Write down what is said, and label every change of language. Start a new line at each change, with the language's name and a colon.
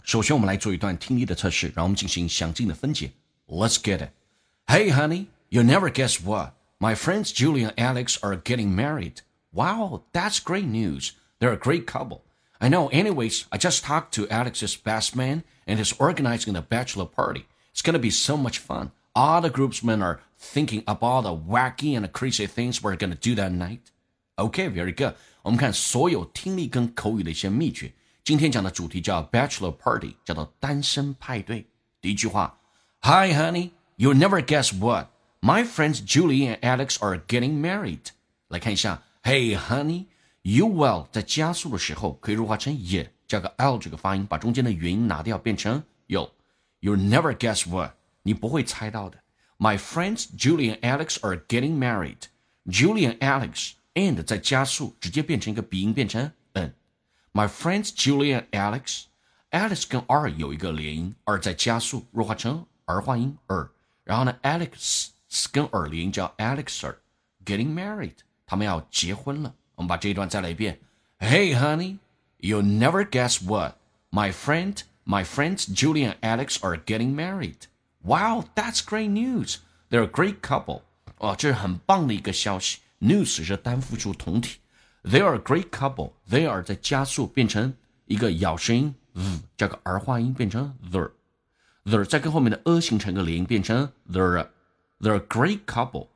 Chinese: 首先我们来做一段听力的测试，让我们进行详尽的分解。
English: Let's get it. Hey honey, you'll never guess what. My friends Julia and Alex are getting married. Wow, that's great news. They're a great couple. I know, anyways, I just talked to Alex's best man and he's organizing a bachelor party. It's gonna be so much fun. All the groupsmen are thinking up all the wacky and crazy things we're gonna do that night. Okay, very good.
Chinese: 我们看所有听力跟口语的一些秘诀。今天讲的主题叫 Bachelor Party， 叫做单身派对。第一句话
English: ，Hi honey, you'll never guess what. My friends Julie and Alex are getting married.
Chinese: 来看一下 ，
English: Hey honey, you will
Chinese: 在加速的时候可以弱化成 ye， 加个 l 这个发音，把中间的元音拿掉，变成 you。
English: You'll never guess what，
Chinese: 你不会猜到的。
English: My friends Julie and Alex are getting married. Julie and Alex。
Chinese: And 再加速，直接变成一个鼻音，变成 n。
English: My friends Julia and Alex，
Chinese: Alex 跟 r 有一个连音，r 再加速，弱化成儿化音 r。然后呢 ，Alex 跟 r 连音叫 Alexer，
English: getting married，
Chinese: 他们要结婚了。我们把这一段再来一遍。
English: Hey honey， you'll never guess what， my friends Julia and Alex are getting married。 Wow， that's great news， they're a great couple。
Chinese: 哦，这是很棒的一个消息。
English: News
Chinese: 是单复数同体
English: They are a great couple.
Chinese: They are 在加速变成一个咬声音 z， 加个儿化音变成 their， their 再跟后面的 a 形成一个连音变成 their，
English: they're a great couple.